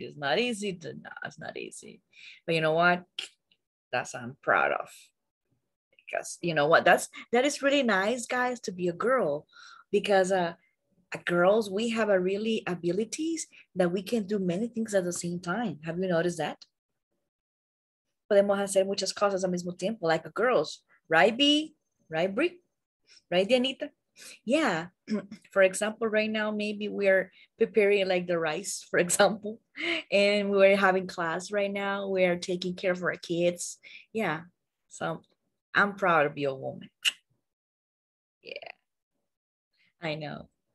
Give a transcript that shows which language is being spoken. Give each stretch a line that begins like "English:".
English: It's not easy. But you know what? That's what I'm proud of. Because you know what? That is really nice, guys, to be a girl. Because girls, we have a really abilities that we can do many things at the same time. Have you noticed that?
Spanish: Podemos hacer muchas cosas al mismo tiempo,
English: like a girls. Right, B? Right, Bri? Right, Dianita? Yeah. For example, right now, maybe we're preparing like the rice, for example. And we're having class right now. We're taking care of our kids. Yeah. So I'm proud to be a woman. Yeah, I know.